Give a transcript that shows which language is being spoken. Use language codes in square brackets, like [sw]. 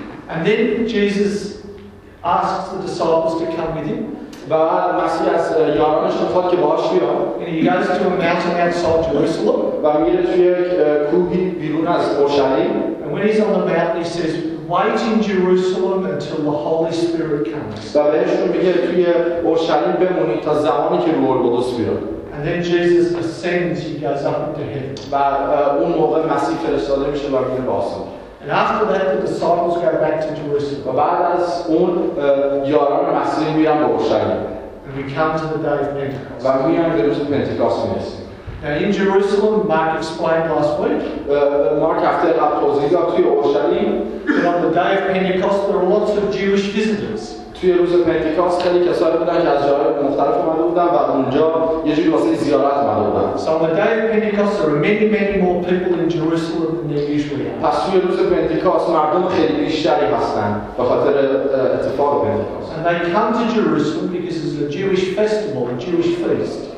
[en] And then Jesus asks the disciples to come with him. [fa] بعد مسیح از یارانش میخواد که باهاش بیاد. [en] And he goes to a mountain outside Jerusalem. [fa] و میره توی یک کوهی بیرون از اورشلیم. [en] And when he's on the mountain, he says, "Wait in Jerusalem until the Holy Spirit comes." [fa] و بعدشون میگه توی اورشلیم بمونی تا زمانی که روح القدس بیاد. [en] And then Jesus ascends. He goes up into heaven. [fa] و اون موقع مسیح فرستاده میشه و میره به آسمان. [en] And after that, the disciples go back to Jerusalem. [fa] و بعد از اون یاران مسیح میان به اورشلیم. [en] And we come to the day of Pentecost. [fa] و میان به روز پنتیکاست میرسیم. [en] Now in Jerusalem, Mark explained last week. [fa] Mark هفته قبل توضیح داد توی اورشلیم. [en] And on the day of Pentecost, there are lots of Jewish visitors. [fa] توی روز پنتیکاست خیلی کسایی بودن که از جاهای مختلف اومده بودن و اونجا یه جوری واسه زیارت اومده بودن. [en] So on the day of Pentecost, there are many, many more people in Jerusalem than there usually are. [fa] پس توی روز پنتیکاست مردم خیلی بیشتری هستن به خاطر اتفاق پنتیکاست. [en] And they come to Jerusalem because it's a Jewish festival, a Jewish feast.